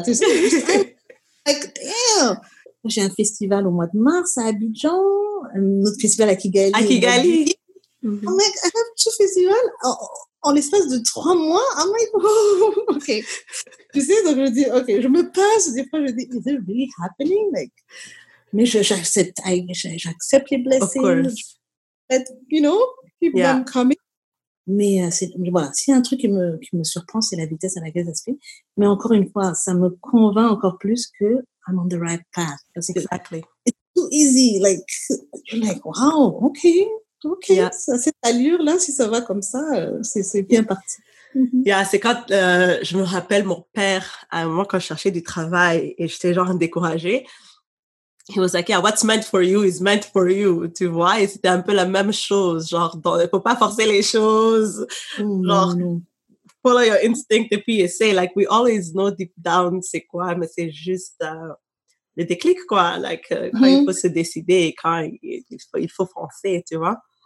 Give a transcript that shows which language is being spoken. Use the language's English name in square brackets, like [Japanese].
[French] Tu sais, j'ai un festival au mois de mars à Abidjan. Notre festival à Kigali. À Kigali. Ce festival, en l'espace de 3 mois, [English] I'm like, oh, ok. [French] Tu sais, donc je dis, ok, je me passe, des fois je dis, [English] is it really happening? Like, [French] mais j'accepte les blessings. [English] Of course. You know, people are coming. [French] Mais voilà, s'il y a un truc qui me surprend, c'est la vitesse à laquelle ça se fait. Mais encore une fois, ça me convainc encore plus que [English] I'm on the right path. [French] Parce que, [English] exactly. Too easy, like wow, ok, yeah. [French] Cette allure là, si ça va comme ça, c'est bien parti. [English] Yeah, [French] c'est quand je me rappelle mon père à un moment quand je cherchais du travail et j'étais genre découragée. [English] He was like, yeah, what's meant for you is meant for you, [French] tu vois. Et c'était un peu la même chose, genre, faut pas forcer les choses, [English] follow your instinct [French] et puis essay. [English] Like we always know deep down [French] c'est quoi, mais c'est juste. Le déclic, quoi, quand il faut se décider, quand il faut foncer, tu vois.